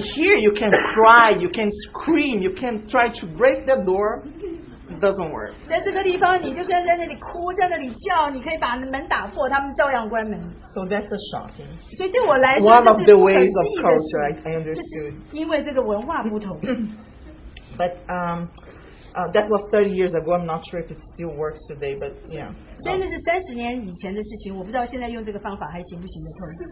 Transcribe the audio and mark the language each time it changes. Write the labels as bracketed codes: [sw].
[en] here you can cry, you can scream, you can try to break the door, doesn't work. [zh] 在这个地方，你就算在那里哭，在那里叫，你可以把门打破，他们照样关门。 [en] So that's a shocking. [zh] 所以对我来说 [en] One of the ways of culture, I understood. [zh] 因为这个文化不同。 [en] But That was 30 years ago. I'm not sure if it still works today, but yeah. [zh] 所以那是30年以前的事情，我不知道现在用这个方法还行不行得通。